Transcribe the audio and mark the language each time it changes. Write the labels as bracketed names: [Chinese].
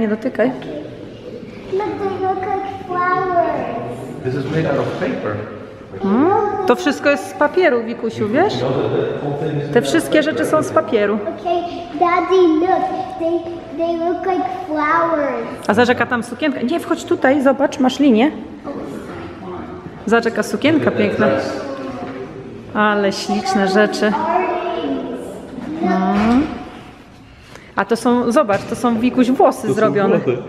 [English] Look, they look like flowers. This is made out of paper. [Polish] To wszystko jest z papieru, Wikusiu, wiesz? Te wszystkie rzeczy są z papieru. [English] Okay, daddy, look, they look like flowers. [Polish] A zobacz, jaka tam sukienka. Nie, wchodź tutaj, zobacz, masz linię. Zaczeka sukienka piękna. Ale śliczne rzeczy. No. A to są, zobacz, to są Wikuś włosy to zrobione.